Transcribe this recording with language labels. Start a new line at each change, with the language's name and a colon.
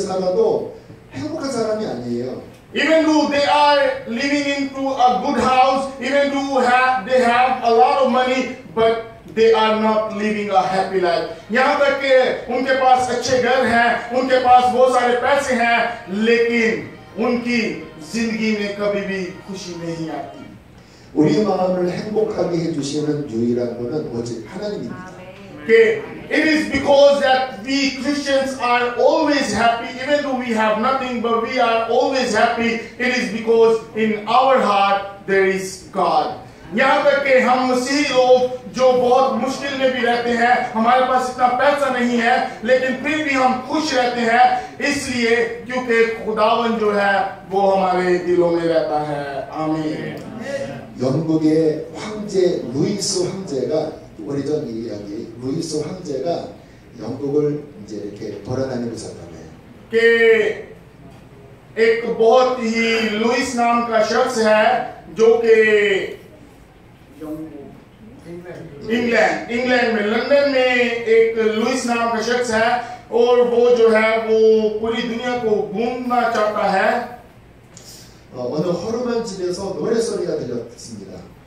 English: Even though they are living into a good house, even though they have a lot of money, but they are not living a happy life.
Hindi: यहाँ तक कि उनके पास अच्छे घर हैं, उनके पास बहुत सारे पैसे हैं, लेकिन उनकी जिंदगी में कभी भी खुशी नहीं आती.
Korean: 우리 마음을 행복하게 해주시는 유일한 분은 오직 하나님입니다.
English: Okay. It is because that we Christians are always happy, even though we have nothing, but we are always happy. It is because in our heart there is God.
Hindi: यहाँ तक कि हम मसीह लोग जो बहुत मुश्किल में भी रहते हैं, हमारे पास इतना पैसा नहीं है, लेकिन फिर भी हम खुश रहते हैं, इसलिए क्योंकि खुदावन जो है, वो हमारे दिलों में रहता है. आमीन.
Korean: 영국의 황제 루이스 황제가 우리 전 이야기. 루이스 황제가 영국을 이제 이렇게 돌아다니고 있었다네. 그에
Hindi: बहुत ही लुईस नाम का शख्स है जो के इंग्लैंड इंग्लैंड में लंदन में एक लुईस नाम का शख्स है और वो जो है वो पूरी दुनिया को घूमना चाहता है.
Korean: 어느 허름한 집에서 노래 소리가 들렸습니다.